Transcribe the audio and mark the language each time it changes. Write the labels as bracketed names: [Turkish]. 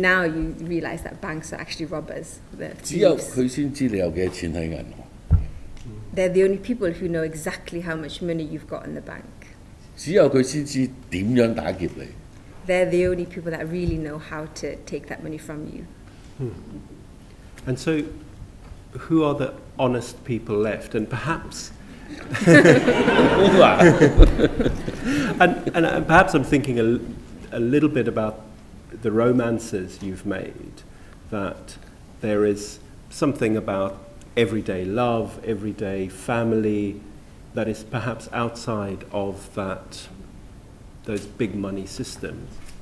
[English] now you realize that banks are actually robbers. [Cantonese] 只有佢先知你有幾多錢喺銀行。 [English] They're the only people who know exactly how much money you've got in the bank. [Cantonese] 只有佢先知點樣打劫你。 [English] They're the only people that really know how to take that money from you. And so, who are the honest people left? And perhaps, and perhaps I'm thinking a little bit about the romances you've made, that there is something about everyday love, everyday family, that is perhaps outside of that, those big money systems.